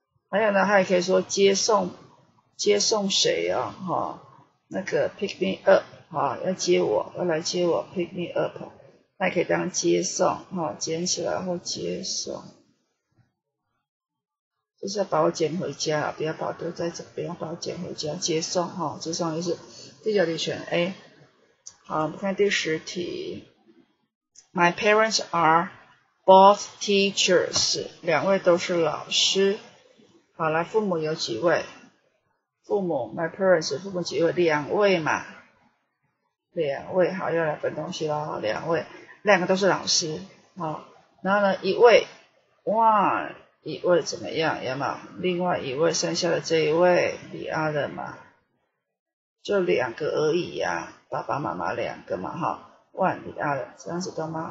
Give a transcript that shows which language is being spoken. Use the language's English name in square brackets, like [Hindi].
[Chinese] 还有呢，它也可以说接送谁啊、哦，哈、哦，那个 pick me up，哈、哦，要接我，要来接我 ，pick me up， 那可以当接送，哈、哦，捡起来或接送，就是要把我捡回家，不要把我丢在这边，要把我捡回家，接送，哈、哦，接送意思。第九题选 A。好，我们看第十题。 [English] My parents are both teachers. [Chinese] 两位都是老师。好，来，父母有几位？父母 , my parents, 父母几位？两位嘛。两位，好，又来分东西啦，两位。两个都是老师。好，然后呢一位 ,one, 一位怎么样，有没有？另外一位，剩下的这一位 ,the other 嘛。就两个而已啊，爸爸妈妈两个嘛，哈 ， one the other，这样子懂吗？